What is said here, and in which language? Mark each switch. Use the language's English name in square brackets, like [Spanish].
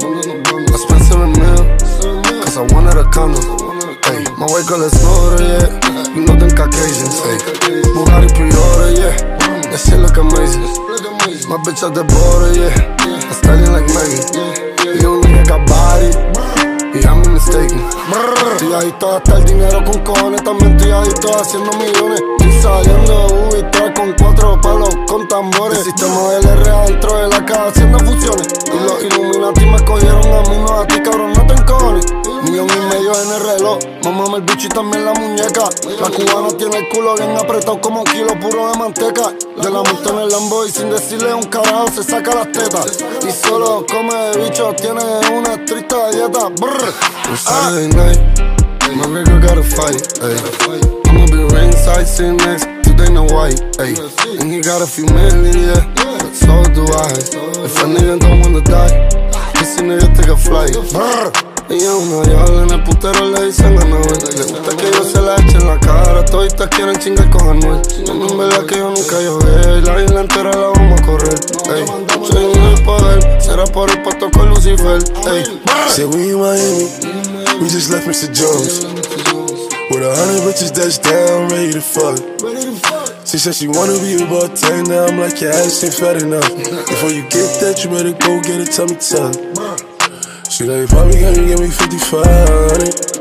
[English] I spent 7 mil, cause I wanted a condo. Hey, my white girl is older, yeah. You know them Caucasians, hey. Bugatti pre-order, yeah. That shit look amazing. My bitch at the border, yeah. I'm styling like Megan. You don't think I got body. Yeah, I'm mistaken. [Spanish] Estoy adicto a gastar dinero con cojones. También estoy adicto a haciendo millones. Estoy saliendo de Ubi 3 con 4 palos con tambores. El sistema del R adentro de la casa haciendo fusiones. Y los Illuminati me cogieron a mí, no a ti, cabrón, no te encojones. 1,000,000 en el reloj. Mamame el bicho y también la muñeca. La cubana tiene el culo bien apretado como un kilo puro de manteca. Yo la monto en el Lambo y sin decirle un carajo se saca las tetas. Y solo come de bicho, tiene una triste dieta. [English] On Saturday night, my nigga got a fight, ayy. I'ma be ringside sitting next to Dana White, ayy. And he got a few million, yeah, but so do I. If a nigga don't wanna die, this nigga take a flight. Brr. [Spanish] Ella es una diabla, en el putero le dicen a Noel. Le gusta que yo se la eche en la cara. Toditas quieren chingar con Anuel. No, en verdad que yo nunca llogué. La isla entera la vamos a correr. Ey, soy un poder. Será por el pato con Lucifer. [English] Ey, say we in Miami, we just left Mr. Jones with 100 bitches that's down, ready to fuck. She said she wanna be a bartender. I'm like, your ass ain't fat enough. Before you get that, you better go get a tummy tuck. She like, probably gonna give me 5500.